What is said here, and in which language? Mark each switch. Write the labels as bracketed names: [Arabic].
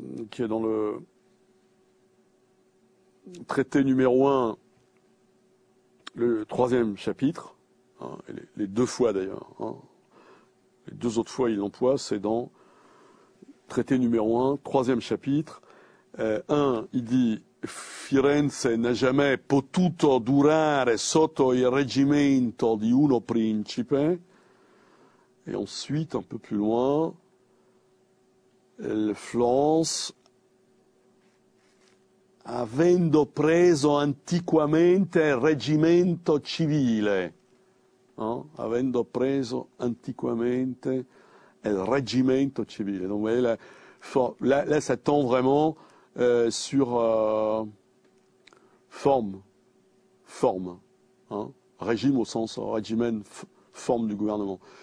[French] qui est dans le traité numéro 1, le troisième chapitre, hein, et les deux fois d'ailleurs, hein, les deux autres fois il l'emploie, c'est dans traité numéro 1, troisième chapitre, 1, il dit... [Italian] Firenze n'ha jamais potuto durare sotto il reggimento di uno principe. [French] Et ensuite, un peu plus loin, le Florence, [Italian] avendo preso antiquamente reggimento civile, [French] no? [Italian] Avendo preso antiquamente il reggimento civile. [French] Donc, vous voyez, là, ça tend vraiment sur forme, hein? Régime au sens régimen, forme du gouvernement.